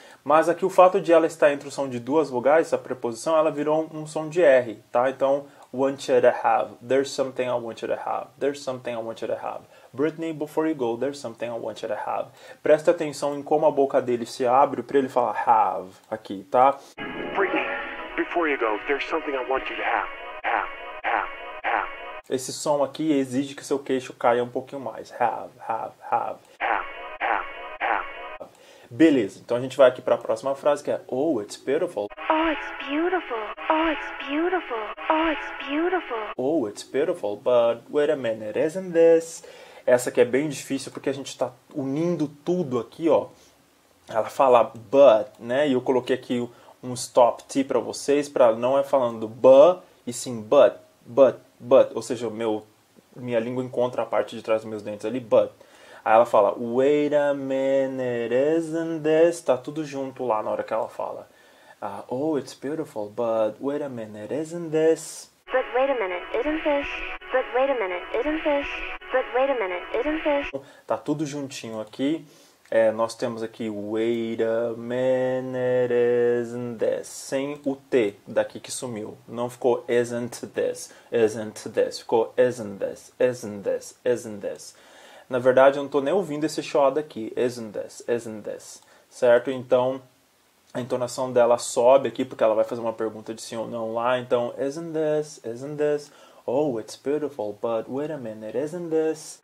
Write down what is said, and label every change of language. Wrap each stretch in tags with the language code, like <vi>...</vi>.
<pt>Mas aqui o fato de ela estar entre o som de duas vogais, essa preposição, ela virou um som de R, tá?</pt> <en>Então, want you to have, there's something I want you to have, there's something I want you to have. Brittany, before you go, there's something I want you to have.</en> <pt>Presta atenção em como a boca dele se abre para ele falar have aqui, tá?</pt> <en>Brittany, before you go, there's something I want you to have. Have, have, have.</en> <pt>Esse som aqui exige que seu queixo caia um pouquinho mais.</pt> <en>Have, have, have. Have, have, have.</en> <pt>Beleza, então a gente vai aqui para a próxima frase que é</pt> <en>oh, it's beautiful. Oh, it's beautiful. Oh, it's beautiful. Oh, it's beautiful. Oh, it's beautiful, but wait a minute, isn't this...</en> <pt>Essa aqui é bem difícil porque a gente está unindo tudo aqui, ó. Ela fala but, né? E eu coloquei aqui um stop T para vocês, para não é falando but, e sim but. Ou seja, minha língua encontra a parte de trás dos meus dentes ali, but. Aí ela fala,</pt> <en>wait a minute, isn't this?</en> <pt>Tá tudo junto lá na hora que ela fala.</pt> <en>Oh, it's beautiful, but wait a minute, isn't this? But wait a minute, isn't this? But wait a minute, isn't this? But wait a minute, isn't this?</en> <pt>Tá tudo juntinho aqui. Nós temos aqui</pt> <en>wait a minute, isn't this?</en> <pt>Sem o T daqui que sumiu. Não ficou</pt> <en>isn't this, isn't this. Ficou isn't this, isn't this, isn't this.</en> <pt>Na verdade, eu não estou nem ouvindo esse chiado aqui.</pt> <en>Isn't this, isn't this.</en> <pt>Certo? Então, a entonação dela sobe aqui, porque ela vai fazer uma pergunta de sim ou não lá.</pt> <en>Então, isn't this, isn't this. Oh, it's beautiful, but wait a minute, isn't this?</en>